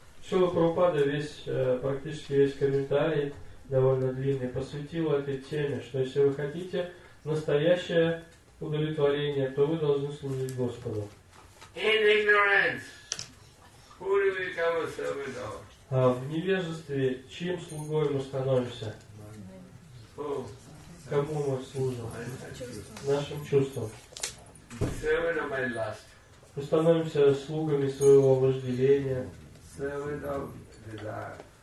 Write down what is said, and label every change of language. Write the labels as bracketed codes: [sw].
[ru] Шрила Прабхупада, практически весь комментарий довольно длинный, посвятил этой теме, что если вы хотите настоящее удовлетворение, то вы должны служить Господу. [en] In ignorance, who do we become a servant of? [ru] В невежестве чьим слугой мы становимся? [en] Who? [ru] Кому мы служим? Нашим чувствам. [en] Servant of my lust. [ru] Мы становимся слугами своего вожделения. [en] Servant of desire.